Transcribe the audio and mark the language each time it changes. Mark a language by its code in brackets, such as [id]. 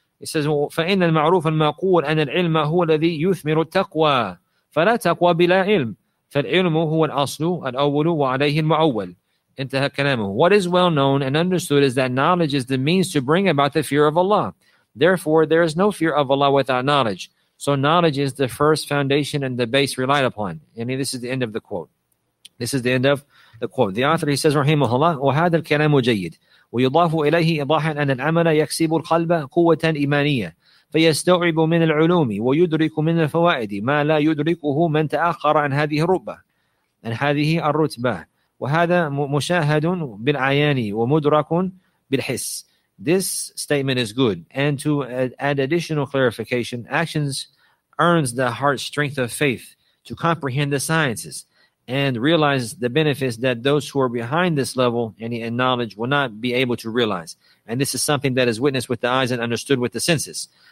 [en] He says, [ar] فَإِنَّ الْمَعْرُوفَ الْمَقُولَ أَنَ الْعِلْمَ هُوَ الَّذِي يُثْمِرُ التَّقْوَى فَلَا تَقْوَى بِلَا عِلْمٍ فَالْعِلْمُ هُوَ الْأَصْلُ الْأَوَّلُ وَعَلَيْهِ الْمُعَوَّلُ انْتَهَى كَلَامُهُ. [en] What is well known and understood is that knowledge is the means to bring about the fear of Allah. Therefore, there is no fear of Allah without knowledge. So knowledge is the first foundation and the base relied upon. And this is the end of the quote. This is the end of the quote. The author, he says, [ar] rahimahullah, وَهَذَا الْكَلَامُ جَيِّدٌ وَيُضَافُ إِلَيْهِ إِضَاحًا أَنَّ الْعَمَلَ يَكْسِبُ الْقَلْبَ قُوَّةً إِيمَانِيَّةً فَيَسْتَوْعِبُ مِنَ الْعُلُومِ وَيُدْرِكُ مِنَ الْفَوَائِدِ مَا لَا يُدْرِكُهُ مَنْ تَأَخَّرَ عَنْ هَذِهِ الرُّبَّةِ عَنْ هَذِهِ الرُّتْبَةِ وَهَذَا مُشَاهَدٌ بِالْعَيَانِ وَمُدْرَكٌ بِالْحِسِّ. [en] This statement is good. And to add additional clarification, actions earns the heart strength of faith to comprehend the sciences and realize the benefits that those who are behind this level and in knowledge will not be able to realize. And this is something that is witnessed with the eyes and understood with the senses.